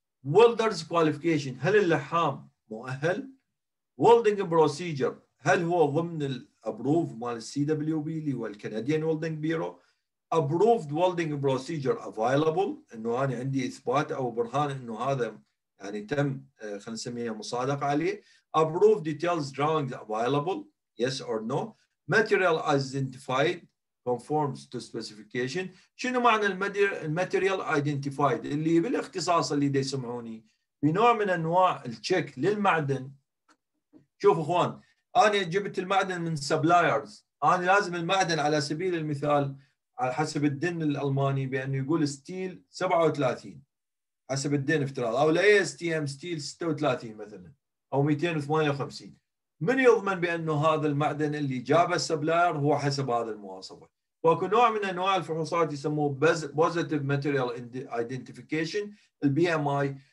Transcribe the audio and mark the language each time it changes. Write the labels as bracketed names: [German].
[Arabic] Welder's qualification هل اللحام مؤهل؟ Welding procedure هل هو ضمن ال approved مال CWB اللي هو Canadian Welding Bureau؟ Approved welding procedure available، إنه أنا عندي إثبات أو برهان إنه هذا يعني تم خلينا نسميه مصادقة عليه. [English] Approved details drawings available yes or no. Material identified conforms to specification. [Arabic] شنو معنى الماتيريال ايدنتيفايد؟ اللي بالاختصاص اللي دي سمعوني بنوع من انواع التشيك للمعدن. شوف اخوان، انا جبت المعدن من سبلايرز، انا لازم المعدن على سبيل المثال على حسب الدين الالماني بانه يقول ستيل 37 حسب الدين افتراض، او الاي اس تي ام ستيل 36 مثلا او 258، من يضمن بانه هذا المعدن اللي جابه السبلاير هو حسب هذا المواصفات؟ فاكو نوع من انواع الفحوصات يسموه بوزيتيف ماتيريال ايدنتيفيكيشن البي ام اي.